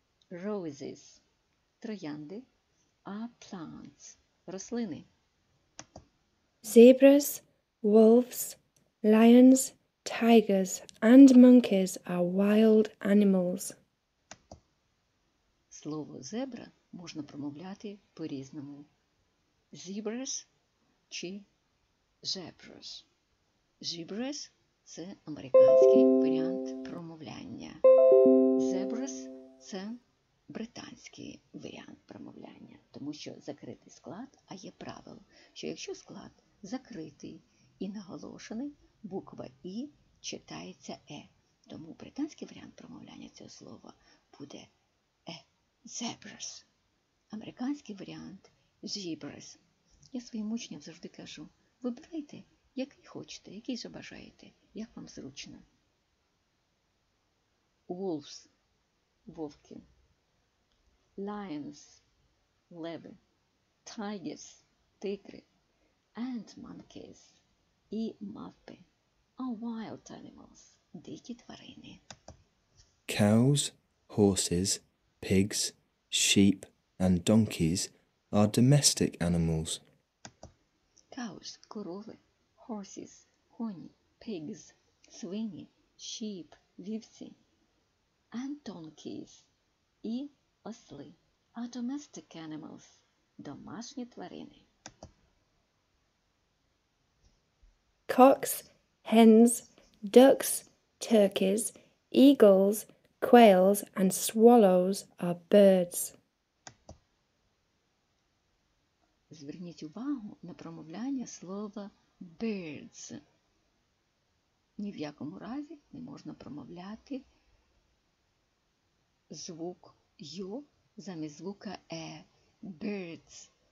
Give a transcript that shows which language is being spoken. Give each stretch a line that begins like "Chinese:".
English: Roses – троянди. Are plants – рослини. Zebras, wolves, lions, tigers and monkeys are wild animals.
Ukrainian: Слово «зебра» можна промовляти по-різному.
English: Zebras чи zebras.
Ukrainian: Zebras – це американський варіант промовляння. Zebras – це британський варіант промовляння. Тому що закритий склад, а є правило, що якщо склад закритий і наголошений, буква «і» читається «е». Тому британський варіант промовляння цього слова буде «е».
English: Zebras.
Ukrainian: Американський варіант –
English: zebras.
Ukrainian: Я своїм учням завжди кажу, вибирайте, який хочете, який забажаєте. Як вам зручно?
English: Wolves –
Ukrainian: вовки.
English: Lions –
Ukrainian: леви.
English: Tigers –
Ukrainian: тигри.
English: And monkeys –
Ukrainian: і мавпи.
English: Are wild animals –
Ukrainian: дикі тварини.
English: Cows, horses, pigs, sheep and donkeys are domestic animals. Cows – корови, horses, коні, pigs – свині, sheep, вівці, and donkeys, і осли, are domestic animals,
Ukrainian: домашні тварини.
English: Cocks, hens, ducks, turkeys, eagles, quails, and swallows are birds.
Ukrainian: Зверніть увагу на промовляння слова
English: birds.
Ukrainian: Ні в якому разі не можна промовляти звук ю замість звука е.
English: Birds.